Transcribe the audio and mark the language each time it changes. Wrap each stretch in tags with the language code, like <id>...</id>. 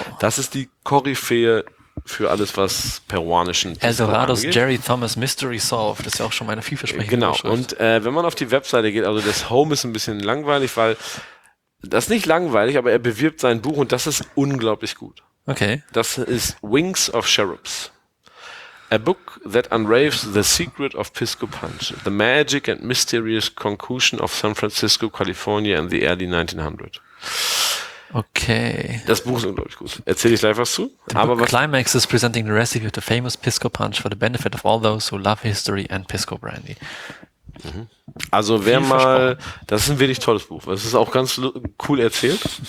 <de>Das ist die Koryphäe für alles, was peruanischen</de> <en>El Dorados Jerry Thomas Mystery Solved.</en> <de>Das ist ja auch schon meine vielversprechende Genau. Und wenn man auf die Webseite geht, also das Home ist ein bisschen langweilig, weil das ist nicht langweilig, aber er bewirbt sein Buch und das ist unglaublich gut. Okay. Das ist Wings of Cherubs.</de> <en>A book that unravels the secret of Pisco Punch. The magic and mysterious concussion of San Francisco, California in the early 1900. Okay.</en> <de>Das Buch ist unglaublich gut. Erzähle ich gleich was zu. Aber</de> <en>Climax is presenting the recipe of the famous Pisco Punch for the benefit of all those who love history and Pisco Brandy.</en> <de>Also wer mal, das ist ein wirklich tolles Buch. Es ist auch ganz cool erzählt.</de>